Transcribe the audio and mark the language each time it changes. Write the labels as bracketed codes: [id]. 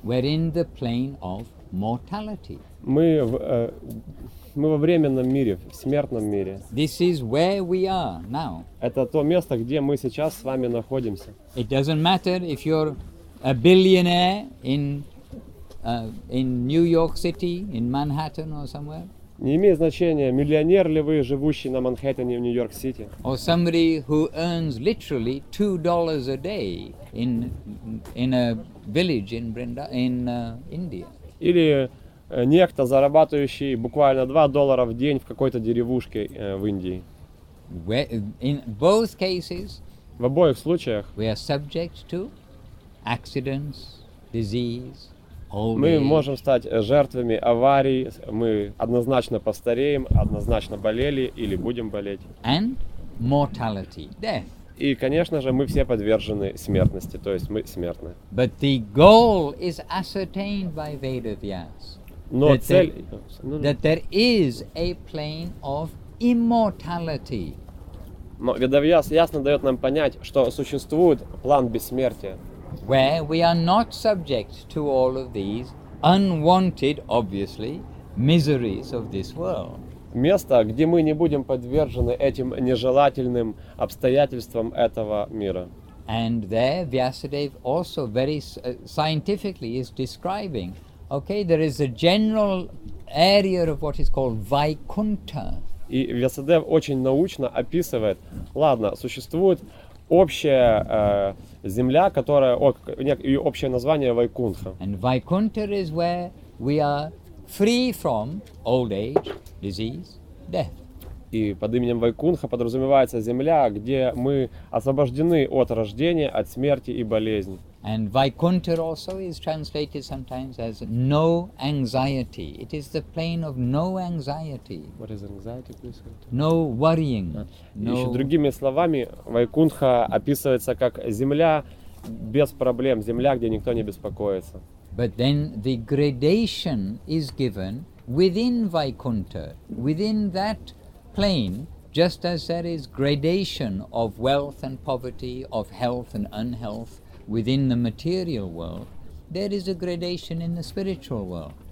[en] We're in the plane of mortality. [ru] Мы во временном мире, в смертном мире. [en] This is where we are now. [ru] Это то место, где мы сейчас с вами находимся. [en] It doesn't matter if you're a billionaire in New York City, in Manhattan or somewhere. [ru] Не имеет значения, миллионер ли вы, живущий на Манхэттене в Нью-Йорк-Сити. [en] Or somebody who earns literally $2 a day in a village in India. [ru] Или некто, зарабатывающий буквально $2 в день в какой-то деревушке в Индии. [en] In both cases, [ru] в обоих случаях [en] we are subject to accidents, disease, old age. [ru] Мы можем стать жертвами аварий, мы однозначно постареем, однозначно болели или будем болеть. [en] And mortality, death. [ru] И, конечно же, мы все подвержены смертности, то есть мы смертны. [en] But the goal is ascertained by Veda Vyas. [ru] Но [en] that [ru] цель [en] that there is a plane of immortality. [ru] Но Ведавьяс ясно дает нам понять, что существует план бессмертия. [en] Where we are not subject to all of these unwanted, obviously, miseries of this world. [ru] Место, где мы не будем подвержены этим нежелательным обстоятельствам этого мира. [en] And there Vyasadeva also very scientifically is describing. Okay, there is a general area of what is called Vaikuntha. [ru] И Вьясадев очень научно описывает. Ладно, существует общая земля, которая ее общее название Вайкунтха. [en] And Vaikuntha is where we are free from old age, disease, death. [ru] И под именем Вайкунха подразумевается земля, где мы освобождены от рождения, от смерти и болезни. [en] And Vaikuntha also is translated sometimes as no anxiety. It is the plane of no anxiety. What is anxiety, please? No worrying. No. [ru] Еще другими словами, Вайкунха описывается как земля без проблем, земля, где никто не беспокоится. [en] But then the gradation is given within Vaikuntha, within that plane, just as there is gradation of wealth and poverty, of health and unhealth within the material world, there is a gradation in the spiritual world.